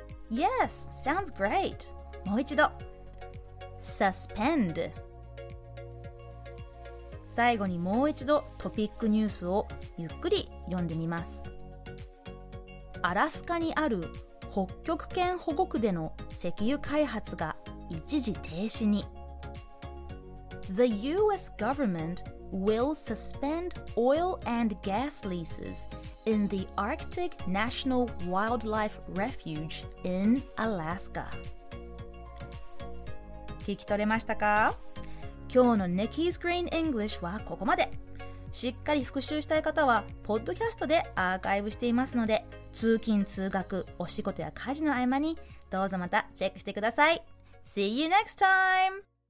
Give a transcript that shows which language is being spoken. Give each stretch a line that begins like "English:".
English: Yes, sounds great。
Japanese: もう一度
English: Suspend。
Japanese: 最後にもう一度トピックニュースをゆっくり読んでみます。アラスカにある北極圏保護区での石油開発が一時停止に。
English: The US government will suspend oil and gas leases in the Arctic National Wildlife Refuge in Alaska。
Japanese: 聞き取れましたか？今日の Nikki's Green English はここまで。しっかり復習したい方はポッドキャストでアーカイブしていますので、通勤通学、お仕事や家事の合間にどうぞまたチェックしてください。
English: See you next time。